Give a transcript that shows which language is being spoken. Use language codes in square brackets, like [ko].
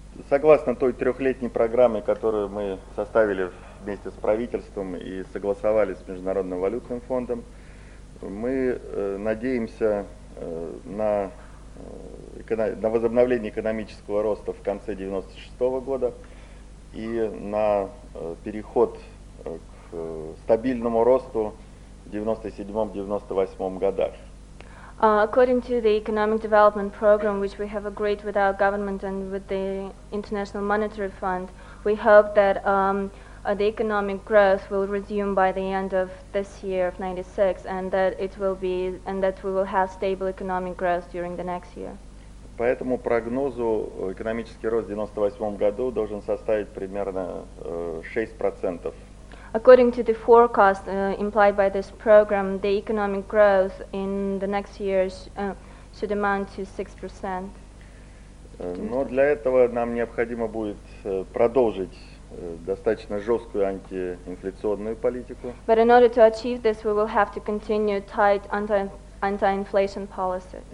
[ru] Согласно той трехлетней программе, которую мы составили вместе с правительством и согласовали с Международным валютным фондом, мы надеемся на возобновление экономического роста в конце 96 года и на переход к стабильному росту в 97-98 годах. [en] According to the economic development program, which we have agreed with our government and with the International Monetary Fund, we hope that the economic growth will resume by the end of this year of 96, and that it will be, and that we will have stable economic growth during the next year. [ru] По этому прогнозу экономический рост в 98 году должен составить примерно 6%. [en] According to the forecast implied by this program, the economic growth in the next years should amount to 6%. [ru] Но для этого нам необходимо будет продолжить достаточно жесткую антиинфляционную политику. [en] But in order to achieve this, we will have to continue tight anti-inflation policy.